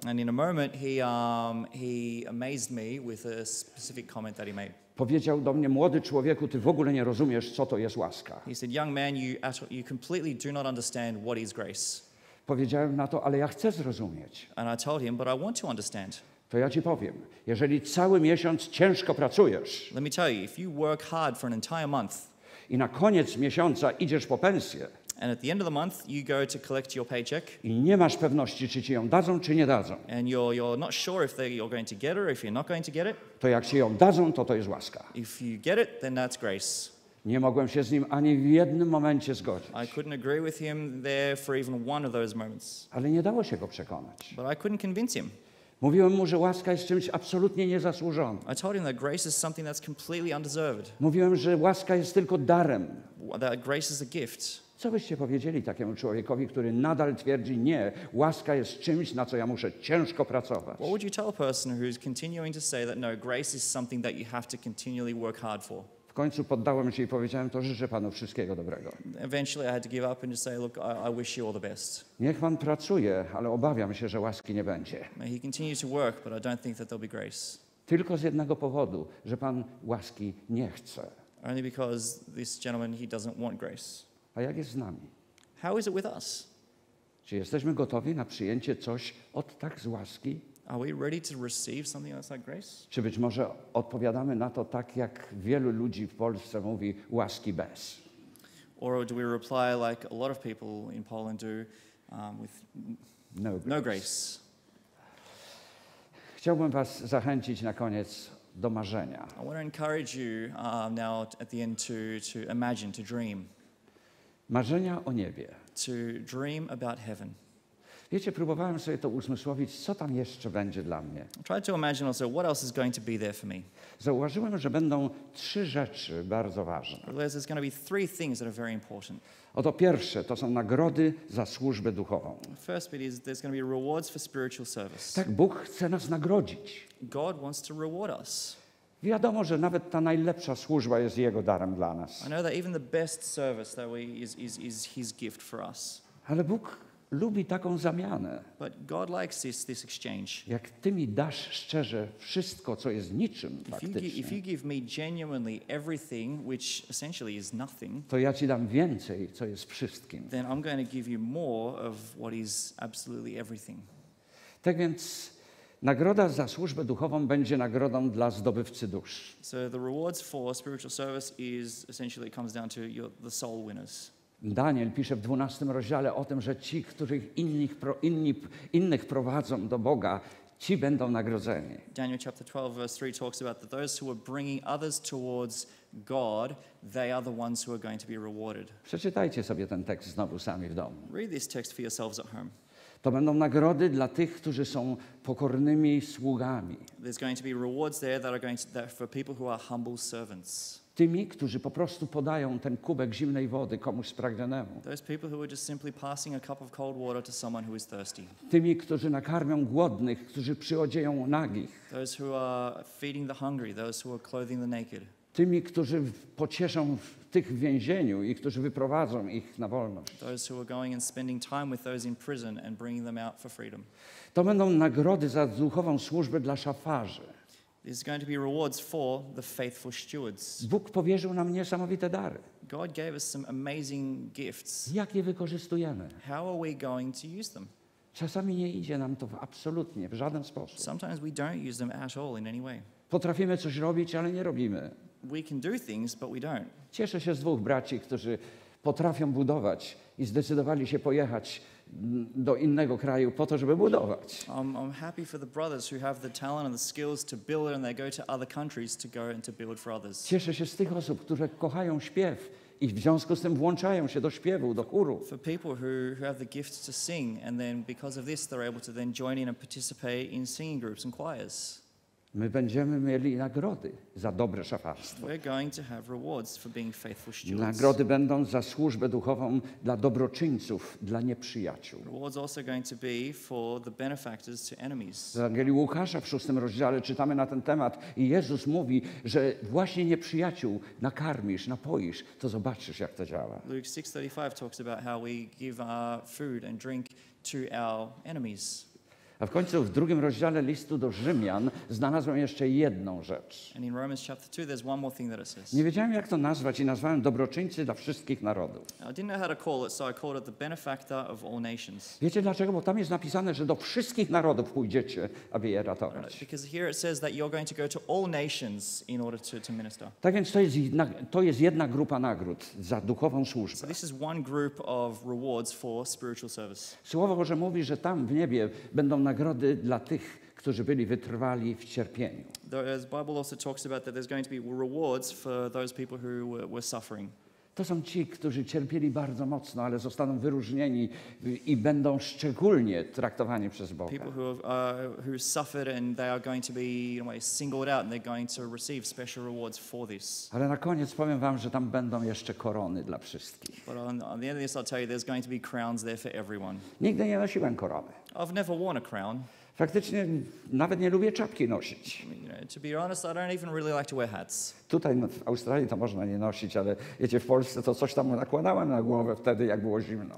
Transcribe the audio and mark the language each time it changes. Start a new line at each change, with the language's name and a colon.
English: And in a moment he amazed me with a specific comment that he made.
Polish: Powiedział do mnie: młody człowieku, ty w ogóle nie rozumiesz, co to jest łaska.
English: He said, young man, you completely do not understand what is grace.
Polish: Powiedziałem na to: ale ja chcę zrozumieć.
English: And I told him, but I want to understand.
Polish: To ja ci powiem, jeżeli cały miesiąc ciężko pracujesz.
English: Let me tell you, if you work hard for an entire month.
Polish: I na koniec miesiąca idziesz po pensję.
English: And at the end of the month, you go to collect your paycheck.
Polish: I nie masz pewności, czy ci ją dadzą, czy nie dadzą.
English: And you're not sure if you're going to get it or if you're not going to get it.
Polish: To jak ci ją dadzą, to jest łaska.
English: If you get it, then that's grace.
Polish: Nie mogłem się z nim ani w jednym momencie zgodzić.
English: I couldn't agree with him there for even one of those moments.
Polish: Ale nie dało się go przekonać.
English: But I couldn't convince him.
Polish: Mówiłem mu, że łaska jest czymś absolutnie niezasłużonym.
English: I told him that grace is something that's completely undeserved.
Polish: Mówiłem, że łaska jest tylko darem.
English: That grace is a gift.
Polish: Co byście powiedzieli takiemu człowiekowi, który nadal twierdzi, nie, łaska jest czymś, na co ja muszę ciężko pracować?
English: What would you tell a person who's continuing to say that no, grace is something that you have to continually work hard for?
Polish: W końcu poddałem się i powiedziałem to, życzę panu wszystkiego dobrego.
English: Eventually I had to give up and just say, look, I wish you all the best.
Polish: Niech pan pracuje, ale obawiam się, że łaski nie będzie.
English: May he continue to work, but I don't think that there'll be grace.
Polish: Tylko z jednego powodu, że pan łaski nie chce.
English: Only because this gentleman, he doesn't want grace.
Polish: A jak jest z nami?
English: How is it with us?
Polish: Czy jesteśmy gotowi na przyjęcie coś od tak z łaski?
English: Are we ready to receive something that's like grace?
Polish: Czy być może odpowiadamy na to tak, jak wielu ludzi w Polsce mówi, łaski bez?
English: Or do we reply like a lot of people in Poland do, with no grace. No grace?
Polish: Chciałbym was zachęcić na koniec do marzenia.
English: I want to encourage you now at the end to imagine, to dream.
Polish: Marzenia o niebie.
English: To dream about heaven.
Polish: Wiecie, próbowałem sobie to uzmysłowić, co tam jeszcze będzie dla mnie.
English: Try to imagine also what else is going to be there for me.
Polish: Zauważyłem, że będą trzy rzeczy bardzo ważne.
English: There's going to be three things that are very important.
Polish: Oto pierwsze, to są nagrody za służbę duchową.
English: First bit is there's going to be rewards for spiritual service.
Polish: Tak, Bóg chce nas nagrodzić.
English: God wants to reward us.
Polish: Wiadomo, że nawet ta najlepsza służba jest Jego darem dla nas.
English: I know that even the best service that we is His gift for us.
Polish: Ale Bóg lubi taką zamianę.
English: But God likes this exchange.
Polish: Jak Ty mi dasz szczerze wszystko, co jest niczym faktycznie.
English: If you give me genuinely everything, which essentially is nothing.
Polish: To ja Ci dam więcej, co jest wszystkim.
English: Then I'm going to give you more of what is absolutely everything.
Polish: Tak więc nagroda za służbę duchową będzie nagrodą dla zdobywcy dusz.
English: So the rewards for spiritual service is essentially comes down to the soul winners.
Polish: Daniel pisze w 12 rozdziale o tym, że ci, których innych prowadzą do Boga, ci będą nagrodzeni.
English: Daniel chapter 12 verse 3 talks about that those who are bringing others towards God, they are the ones who are going to be rewarded.
Polish: Przeczytajcie sobie ten tekst znowu sami w domu.
English: Read this text for yourselves at home.
Polish: To będą nagrody dla tych, którzy są pokornymi sługami.
English: There's going to be rewards there that are going to, that for people who are humble servants.
Polish: tymi, którzy po prostu podają ten kubek zimnej wody komuś spragnionemu.
English: Those people who are just simply passing a cup of cold water to someone who is thirsty.
Polish: Tymi, którzy nakarmią głodnych, którzy przyodzieją nagich.
English: Those who are feeding the hungry, those who are clothing the naked.
Polish: Tymi, którzy pocieszą tych w więzieniu i którzy wyprowadzą ich na wolność.
English: Those who are going and spending time with those in prison and bringing them out for freedom.
Polish: To będą nagrody za duchową służbę dla szafarzy.
English: This is going to be rewards for the faithful stewards.
Polish: Bóg powierzył nam niesamowite dary.
English: God gave us some amazing gifts.
Polish: Jak je wykorzystujemy?
English: How are we going to use them?
Polish: Czasami nie idzie nam to w absolutnie, w żaden sposób.
English: Sometimes we don't use them at all in any way.
Polish: Potrafimy coś robić, ale nie robimy.
English: We can do things, but we don't.
Polish: Cieszę się z dwóch braci, którzy potrafią budować i zdecydowali się pojechać do innego kraju po to, żeby budować.
English: I'm happy for the brothers who have the talent and the skills to build and they go to other countries to go and to build for others.
Polish: Cieszę się z tych osób, które kochają śpiew i w związku z tym włączają się do śpiewu, do chóru.
English: For people who have the gift to sing and then because of this they're able to then join in and participate in singing groups and choirs.
Polish: My będziemy mieli nagrody za dobre szafarstwo.
English: We're going to have rewards for being faithful stewards.
Polish: Nagrody będą za służbę duchową dla dobroczyńców, dla nieprzyjaciół.
English: Rewards also going to be for the benefactors to enemies.
Polish: W Ewangelii Łukasza w 6 rozdziale czytamy na ten temat i Jezus mówi, że właśnie nieprzyjaciół nakarmisz, napoisz, to zobaczysz jak to działa.
English: Luke 6:35 talks about how we give our food and drink to our enemies.
Polish: A w końcu w drugim rozdziale listu do Rzymian znalazłem jeszcze jedną rzecz.
English: And in Romans chapter 2 there's one more thing that it says.
Polish: Nie wiedziałem jak to nazwać i nazwałem dobroczyńcy dla wszystkich narodów.
English: I didn't know how to call it, so I called it the benefactor of all nations.
Polish: Wiecie dlaczego? Bo tam jest napisane, że do wszystkich narodów pójdziecie, aby je ratować.
English: Because here it says that you're going to go to all nations in order to minister.
Polish: Tak więc to jest jedna grupa nagród za duchową służbę.
English: So this is one group of rewards for spiritual service.
Polish: Słowo Boże mówi, że tam w niebie będą nagrody dla tych, którzy byli wytrwali w cierpieniu.
English: The Bible also talks about that there's going to be rewards for those people who were suffering.
Polish: To są ci, którzy cierpieli bardzo mocno, ale zostaną wyróżnieni i będą szczególnie traktowani przez Boga.
English: People who suffered and they are going to be in a way singled out and they're going to receive special rewards for this.
Polish: Ale na koniec powiem wam, że tam będą jeszcze korony dla wszystkich.
English: But on the end of this, I'll tell you, there's going to be crowns there for everyone.
Polish: Nigdy nie nosiłem korony.
English: I've never worn a crown.
Polish: Faktycznie nawet nie lubię czapki nosić.
English: To be honest, I don't even really like to wear hats.
Polish: Tutaj w Australii to można nie nosić, ale wiecie, w Polsce to coś tam nakładałem na głowę wtedy, jak było zimno.